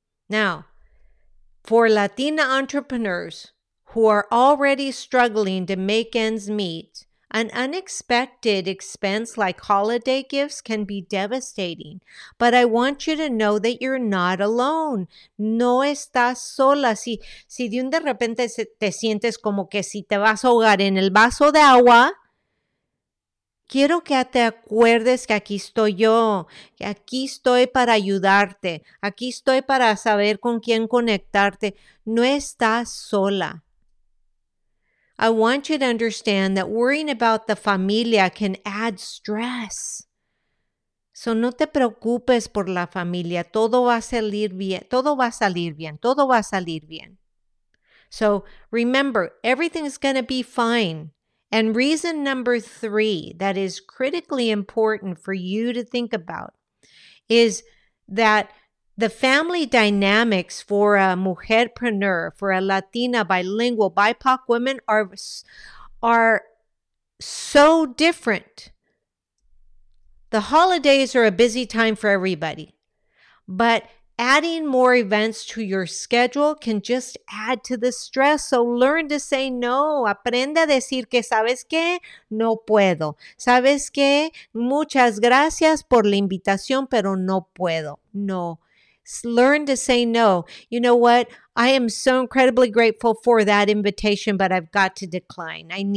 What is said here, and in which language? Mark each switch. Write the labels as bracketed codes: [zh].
[en] Now, for Latina entrepreneurs who are already struggling to make ends meet, an unexpected expense like holiday gifts can be devastating. But I want you to know that you're not alone. [es] No estás sola. Si de un de repente te sientes como que si te vas a ahogar en el vaso de agua, quiero que te acuerdes que aquí estoy yo, que aquí estoy para ayudarte, aquí estoy para saber con quién conectarte. No estás sola. [en] I want you to understand that worrying about the familia can add stress. So [es] no te preocupes por la familia. Todo va a salir bien. Todo va a salir bien. Todo va a salir bien. [en] So remember, everything's going to be fine. And reason number three that is critically important for you to think about is that the family dynamics for a mujerpreneur, for a Latina, bilingual, BIPOC woman are so different. The holidays are a busy time for everybody, but adding more events to your schedule can just add to the stress. So learn to say no. [es] Aprende a decir que sabes que no puedo. Sabes que muchas gracias por la invitación, pero no puedo. [en] No. Learn to say no. You know what? I am so incredibly grateful for that invitation, but I've got to decline.